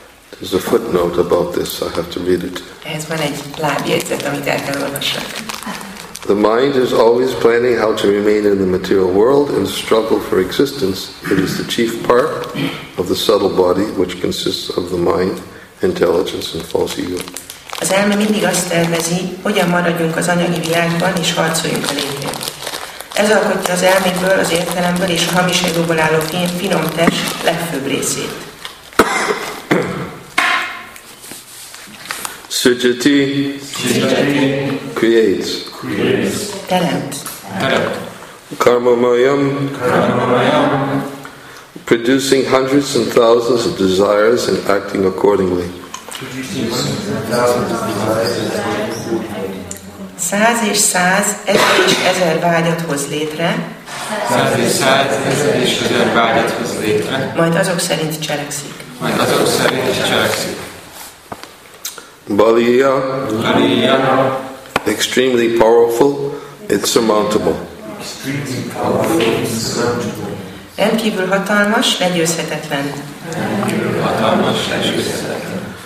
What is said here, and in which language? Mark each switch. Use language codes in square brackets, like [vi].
[en] There's a footnote about this, I have to read it. [hu] Ez van egy lábjegyzet, amit el kell olvassak. [en] The mind is always planning how to remain in the material world and struggle for existence. It is the chief part of the subtle body, which consists of the mind, intelligence and false ego. [hu] Az elme mindig azt tervezi, hogyan maradjunk az anyagi világban és harcoljunk a létért. Ez alkotja az elméből, az értelemből és a hamis egóból álló finom test legfőbb részét. [sa] Sujati [en] creates. [hu] Teremt. [sa] Karmamayam. Karmamayam. [en] Producing hundreds and thousands of desires and acting accordingly. [hu] Száz és száz, ezer és ezer vágyat hoz létre. Száz és száz, ezer és ezer vágyat hoz létre. Majd azok szerint cselekszik. Majd azok szerint cselekszik. [sa] Baliya. Baliya. [en] Extremely powerful, it's surmountable. [hu] Rendkívül hatalmas, legyőzhetetlen. Hatalmas, legyőzhetetlen.